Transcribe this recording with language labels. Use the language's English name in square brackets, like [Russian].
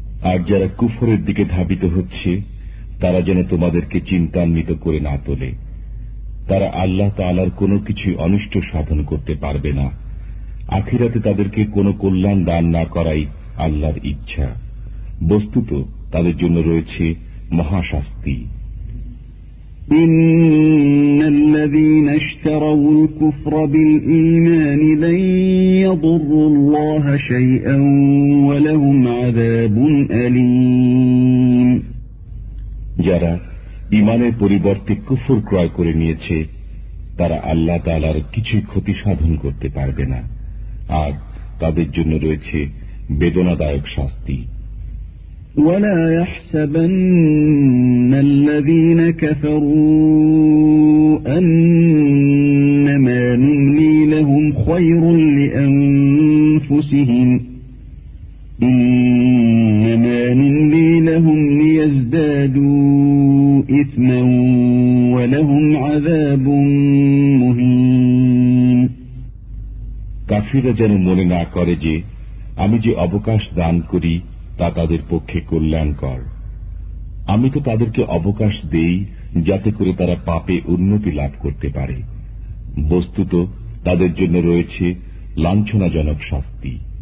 [Bangla] আর যারা কুফরের দিকে ধাবিত হচ্ছে তারা যেন তোমাদেরকে চিন্তান্বিত করে না তোলে তারা আল্লাহ তাআলার কোনো কিছু অনিষ্ট সাধন করতে পারবে না আখিরাতে তাদেরকে কোনো কল্যাণ দান না করাই আল্লাহর ইচ্ছা বস্তুত তাদের জন্য রয়েছে মহাশাস্তি [Arabic] إن الذين اشتروا الكفر بالإيمان لن يضروا الله شيئا ولهم عذاب أليم جارا إيمانه [Bangla] পরিবর্তে কুফর ক্রয় করে নিয়েছে তারা আল্লাহ তাআলার কিছু ক্ষতি সাধন করতে পারবে না আর তাদের জন্য রয়েছে বেদনাদায়ক শাস্তি [Arabic] ولا يحسبن الذين كفروا انما نملي لهم خير لانفسهم انما نملي لهم ليزدادوا اثما ولهم عذاب مهين كافر جن [Bangla] মনে না করে যে আমি যে অবকাশ দান করি তা তাদের পক্ষে কল্যাণকর আমি তো তাদেরকে অবকাশ দেই যাতে করে তারা পাপে উন্নতি লাভ করতে পারে বস্তুত তাদের জন্য রয়েছে লাঞ্ছনাজনক শাস্তি